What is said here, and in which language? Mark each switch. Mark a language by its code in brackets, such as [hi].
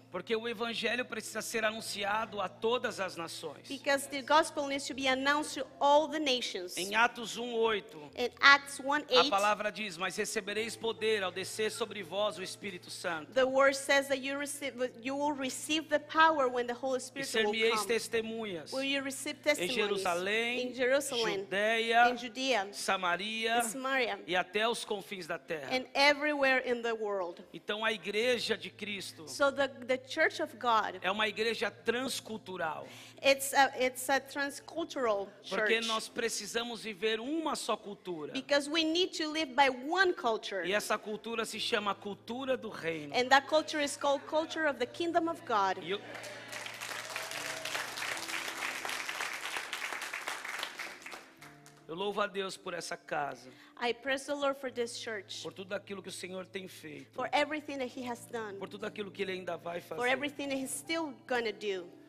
[pt] Porque o evangelho precisa ser anunciado a todas as nações. [en] Because the gospel needs to be announced to all the nations. [pt] Em Atos 1:8. [en] In Acts 1:8. [pt] A palavra diz: "Mas recebereis poder ao descer sobre vós o Espírito Santo." [en] The word says that you will receive the power when the Holy Spirit will come. [pt] E sereis testemunhas. [en] Will you receive testimonies? [pt] Em Jerusalém, [en] in Jerusalem, [pt] Judeia, [en] in Judea, [pt] Samaria, [en] in Samaria, [pt] e até os confins da terra. [en] And everywhere in the world. [pt] Então a igreja de Cristo. [en] So the Church of God. [pt] É uma igreja transcultural. [en] It's a transcultural church. [pt] Porque nós precisamos viver uma só cultura. [en] Because we need to live by one culture. [pt] E essa cultura se chama cultura do reino. [en] And that culture is called culture of the kingdom of God. [pt] Eu louvo a Deus por essa casa. [en] I praise the Lord for this church. [pt] Por tudo aquilo que o Senhor tem feito. [en] For everything that he has done. [pt] Por tudo aquilo que ele ainda vai fazer. [en] For everything that he's still going to do.